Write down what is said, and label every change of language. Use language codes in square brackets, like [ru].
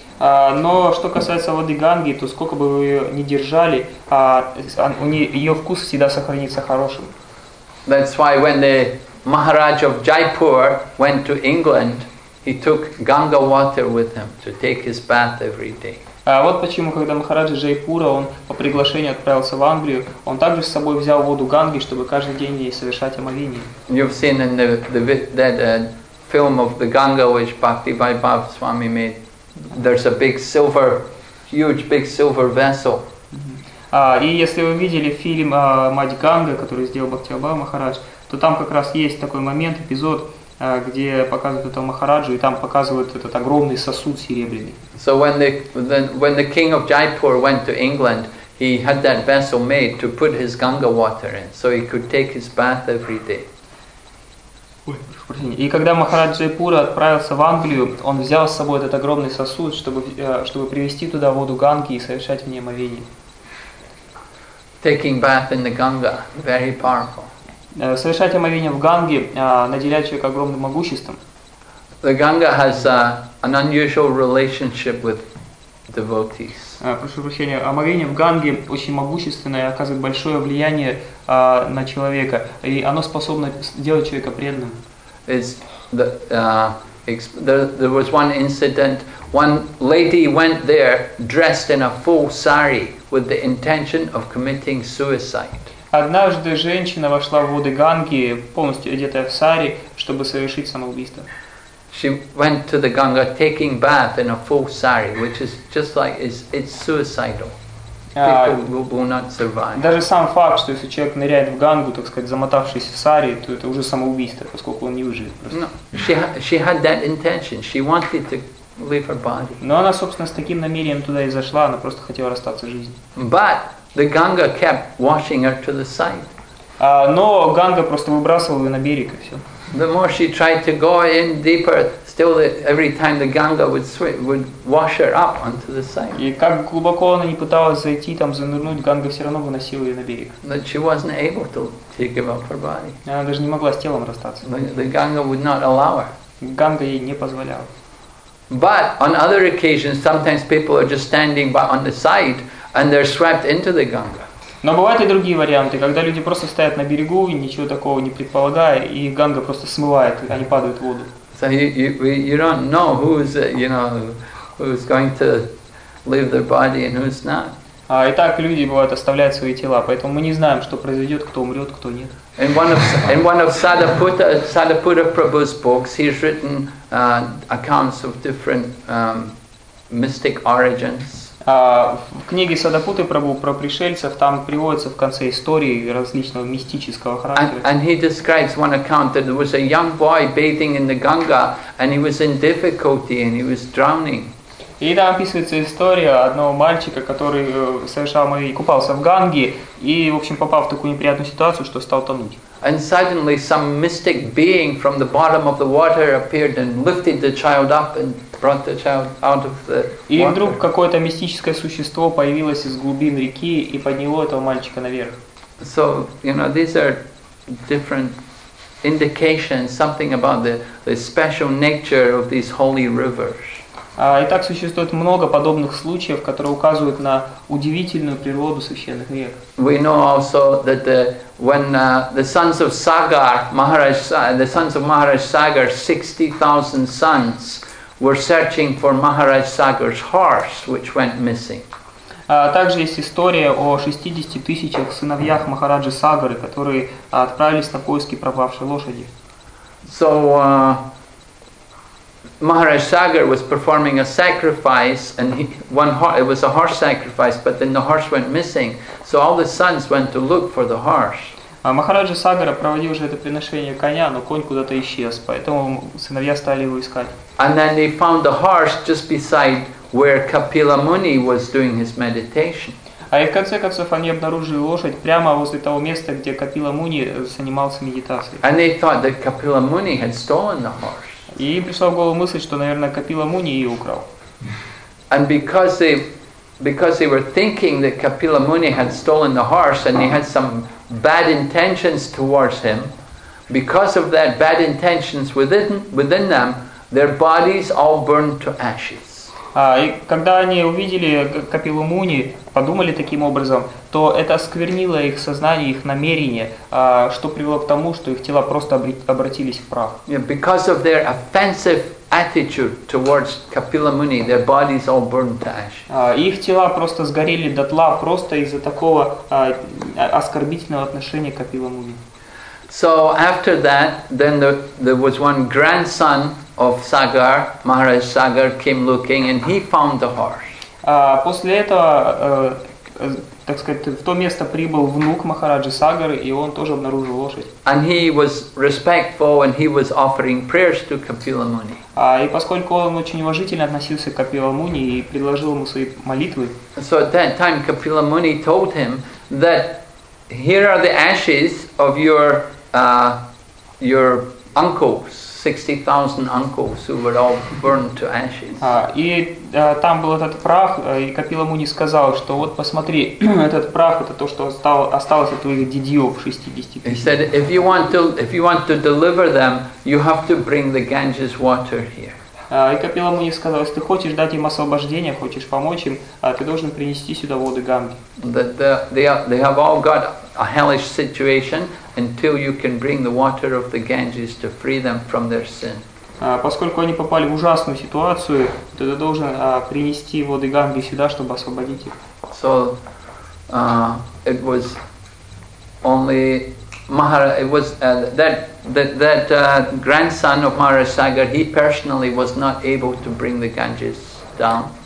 [ru] Но что касается воды Ганги, то сколько бы вы ее ни держали, ее вкус всегда сохранится хорошим. [en] That's why when the Maharaj of Jaipur went to England. He took Ganga water with him to take his bath every day. [ru] Вот почему, когда Махараджа Джайпура, он по приглашению отправился в Англию, он также с собой взял воду Ганги, чтобы каждый день ей совершать омовение. [en] You've seen in the film of the Ganga, which Bhakti Vaibhav Swami made, there's a big silver, huge big silver vessel. [ru] И если вы видели фильм «Мать Ганга», который сделал Бхакти Вайбхава Махарадж, то там как раз есть такой момент, эпизод, где показывают этого Махараджу, и там показывают этот огромный сосуд серебряный. [en] So when the king of Jaipur went to England, he had that vessel made to put his Ganga water in, so he could take his bath every day. [ru] И когда Махарадж Джайпура отправился в Англию, он взял с собой этот огромный сосуд, чтобы привезти туда воду Ганги и совершать в ней омовение. [en] Taking bath in the Ganga, very powerful. [ru] Совершать омовение в Ганге наделяет человека огромным могуществом. [en] The Ganga has an unusual relationship with devotees. [ru] Прошу прощения, омовение в Ганге очень могущественное, оказывает большое влияние на человека, и оно способно сделать человека преданным. [en] There was one incident. One lady went there dressed in a full sari with the intention of committing suicide. [ru] Однажды женщина вошла в воды Ганги, полностью одетая в сари, чтобы совершить самоубийство. [en] She went to the Ganga taking bath in a full sari, which is just like it's suicidal. People will not survive. [ru] Даже сам факт, что если человек ныряет в Гангу, так сказать, замотавшись в сари, то это уже самоубийство, поскольку он не выживет просто. [en] No, she had that intention. She wanted to leave her body. [ru] Но она, собственно, с таким намерением туда и зашла, она просто хотела расстаться с жизнью. [en] But the Ganga kept washing her to the side. [ru] Но Ганга просто выбрасывала ее на берег и все. [en] The more she tried to go in deeper, still every time the Ganga would wash her up onto the side. [ru] И как глубоко она не пыталась зайти там занырнуть, Ганга все равно выносила ее на берег. [en] But she wasn't able to give up her body. [ru] Она даже не могла с телом расстаться. [en] The Ganga would not allow her. [ru] Ганга ей не позволяла. [en] But on other occasions, sometimes people are just standing by on the side and they're swept into the Ganga. [ru] Но бывают и другие варианты, когда люди просто стоят на берегу и ничего такого не предполагая, и Ганга просто смывает, и они падают в воду. [en] So you don't know who's, you know, who's going to leave their body and who's not. [ru] Итак, люди бывают оставляют свои тела, поэтому мы не знаем, что произойдет, кто умрет, кто нет. [en] In one of Sadaputta Prabhu's books, he's written accounts of different mystic origins. [ru] В книге Садапуты Прабху про пришельцев там приводится в конце истории различного мистического характера. [en] And he describes one account that there was a young boy bathing in the Ganga and he was in difficulty and he was drowning. [ru] И там описывается история одного мальчика, который совершал омовение, купался в Ганге и, в общем, попал в такую неприятную ситуацию, что стал тонуть. [en] And suddenly some mystic being from the bottom of the water appeared and lifted the child up and brought the child out of the water. [ru] И вдруг какое-то мистическое существо появилось из глубин реки и подняло этого мальчика наверх. [en] So, you know, these are different indications, something about the special nature of these holy rivers. [ru] Итак, существует много подобных случаев, которые указывают на удивительную природу священных рек. [en] We know also that when the sons of Sagar, Maharaj, the sons of Maharaj Sagar, 60,000 sons were searching for Maharaj Sagar's horse, which went missing. [ru] Также есть история о 60 тысячах сыновьях Махараджи Сагары, которые отправились на поиски пропавшей лошади. [en] So, Maharaj Sagar was performing a sacrifice, and it was a horse sacrifice, but then the horse went missing. So all the sons went to look for the horse. [ru] Махараджа Сагара проводил уже это приношение коня, но конь куда-то исчез, поэтому сыновья стали его искать. [en] And then they found the horse just beside where Kapila Muni was doing his meditation. [ru] А и в конце концов они обнаружили лошадь прямо возле того места, где Капила Муни занимался медитацией. [en] And they thought that Kapila Muni had stolen the horse. [ru] И им пришла в голову мысль, что, наверное, Капила Муни ее украл. [en] And because they were thinking that Kapila Muni had stolen the horse and they had some bad intentions towards him, because of that bad intentions within them, their bodies all burned to ashes. [ru] И когда они увидели Капилу Муни, подумали таким образом, то это осквернило их сознание, их намерение, что привело к тому, что их тела просто обратились в прах. [en] Yeah, because of their offensive attitude towards Kapila Muni, their bodies all burned to ash. [ru] Их тела просто сгорели дотла просто из-за такого оскорбительного отношения к Капила Муни. [en] So after that, then there was one grandson of Sagar, Maharaj Sagar came looking and he found the horse. [ru] После этого так сказать, в то место прибыл внук Махараджи Сагары, и он тоже обнаружил лошадь. [en] And he was respectful and he was offering prayers to Kapila Muni. [ru] А и поскольку он очень уважительно относился к Капила Муни и предложил ему свои молитвы. [en] So at that time Kapila Muni told him that here are the ashes of your uncles. 60,000 uncles who were all burned to ashes. [ru] И там был этот прах, и Капила Муни сказал, что вот посмотри, этот прах это то, что осталось от твоих дедьев 60,000. [en] He said, if you want to deliver them, you have to bring the Ganges water here. [ru] И Капила Муни сказал, если ты хочешь дать им освобождение, хочешь помочь им, ты должен принести сюда воды Ганги. [en] They have all got a hellish situation until you can bring the water of the Ganges to free them from their sin. [ru] Поскольку они попали в ужасную ситуацию, то ты должен принести воды Ганги сюда, чтобы освободить их. [en] So it was only grandson of Maharaj Sagar, he personally was not able to bring the Ganges down.